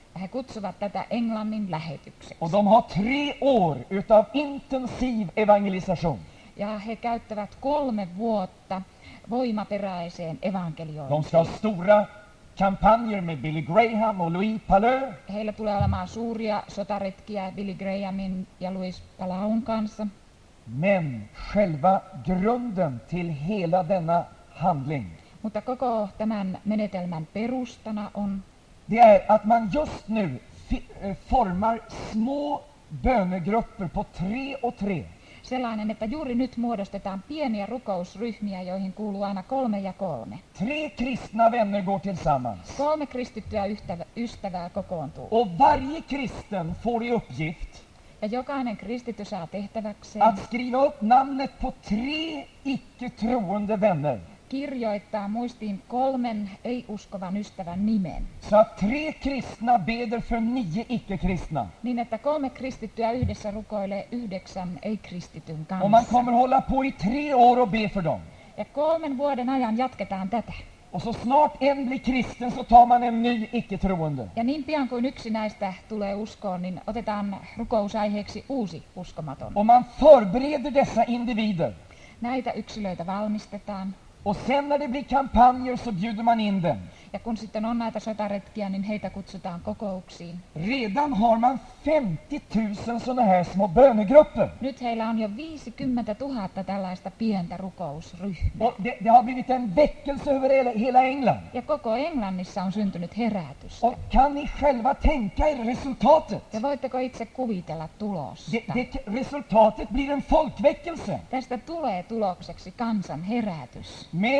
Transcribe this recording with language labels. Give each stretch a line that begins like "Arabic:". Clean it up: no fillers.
Finnish: He kutsuvat tätä Englannin lähetykseksi.
Swedish: Och de har 3 år utav intensiv evangelisation.
Finnish: Ja he käyttävät 3 vuotta voimaperäiseen evankeliointiin.
Swedish: De ska ha stora kampanjer med Billy Graham och Louis Palau.
Finnish: Heillä tulee olemaan suuria sotaretkiä Billy Grahamin ja Louis Palaun kanssa.
Swedish: Men själva grunden till hela denna handling.
Finnish: Mutta koko tämän menetelmän perustana on.
Swedish: Det är att man just nu formar små bönegrupper på 3 och 3.
Finnish: Sellainen, että juuri nyt muodostetaan pieniä rukousryhmiä, joihin kuuluu aina 3 ja 3.
Swedish: 3 kristna vänner går tillsammans.
Finnish: 3 kristittyä ystävää kokoontuu.
Swedish: Och varje kristen får i uppgift.
Finnish: Ja jokainen kristitty saa tehtäväkseen.
Swedish: Att skriva upp namnet på 3 icke-troende vänner.
Finnish: Kirjoittaa muistiin 3 ei-uskovan ystävän nimen.
Swedish: Så 3 kristna beder för 9 icke-kristna.
Finnish: Niin että 3 kristittyä yhdessä rukoilee 9 ei-kristityn kanssa.
Swedish: Och man kommer hålla på i 3 år och be för dem.
Finnish: Ja 3 vuoden ajan jatketaan tätä.
Swedish: Och så snart en blir kristen så tar man en ny icke-troende.
Finnish: Ja niin pian kuin yksi näistä tulee uskoon, niin otetaan rukousaiheeksi uusi uskomaton.
Swedish: Och man förbereder dessa individer.
Finnish: Näitä yksilöitä valmistetaan.
Swedish: Och sen när det blir kampanjer så bjuder man in dem.
Finnish: Ja kun sitten on näitä sotaretkiä, niin heitä kutsutaan kokouksiin.
Swedish: Redan har man 50,000 såna här små bönegrupper.
Finnish: Nyt heillä on jo 50,000 tällaista pientä rukousryhmää.
Swedish: Och det har blivit en väckelse över hela England.
Finnish: Ja koko Englannissa on syntynyt herätys.
Swedish: Och kan ni själva tänka er resultatet?
Finnish: Ja voitteko itse kuvitella tulosta?
Swedish: Det resultatet blir en folkväckelse.
Finnish: Tästä tulee tulokseksi kansan herätys.